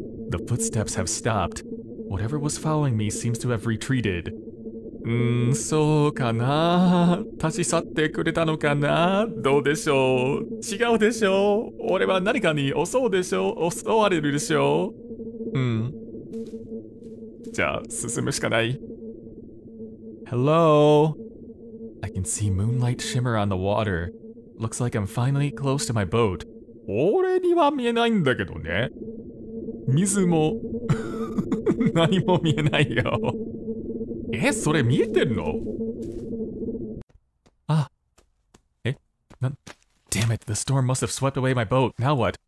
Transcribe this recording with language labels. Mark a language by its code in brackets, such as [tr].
[en] The footsteps have stopped. Whatever was following me seems to have retreated. [ja] そうかな? 立ち去ってくれたのかな?どうでしょう?違うでしょう? 俺は何かに襲うでしょう?襲われるでしょう? じゃあ、進むしかない。 [en] Hello? I can see moonlight shimmer on the water. Looks like I'm finally close to my boat. [ja] 俺には見えないんだけどね。水も… 何も見えないよ。え?それ見えてるの? [en] Ah. [ja] え?なん… [en] Damn it, the storm must have swept away my boat. Now what?